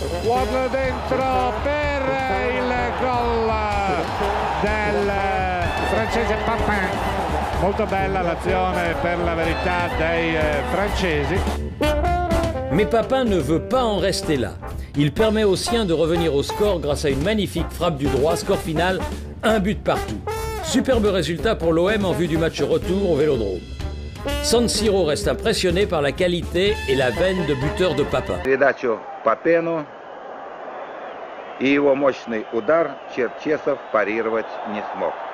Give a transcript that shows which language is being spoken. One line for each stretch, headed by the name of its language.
Italian: Waddle dentro per il gol del francese Papin. Molto bella l'azione per la verità dei francesi.
French: Mais Papin ne veut pas en rester là. Il permet aux siens de revenir au score grâce à une magnifique frappe du droit. Score final, un but partout. Superbe résultat pour l'OM en vue du match retour au Vélodrome. San Siro reste impressionné par la qualité et la veine de buteur de Papin.
Russian: Передача Папену и его мощный удар Черчесов парировать не смог.